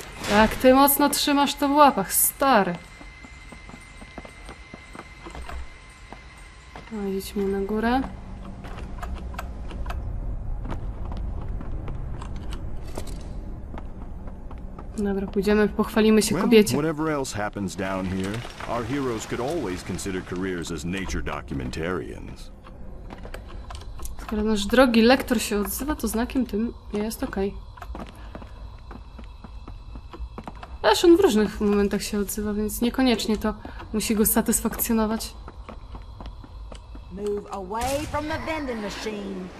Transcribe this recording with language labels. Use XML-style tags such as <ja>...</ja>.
<pl>Jak ty mocno trzymasz to w łapach, stary. Idźmy na górę. Dobra, pójdziemy, pochwalimy się kobiecie.</pl> <en>Whatever else happens down here, our heroes could always consider careers as nature documentarians.</en> <pl>Skoro nasz drogi lektor się odzywa, to znakiem tym jest okej. Zresztą on w różnych momentach się odzywa, więc niekoniecznie to musi go satysfakcjonować.</pl> <en>Move away from the vending machine.</en>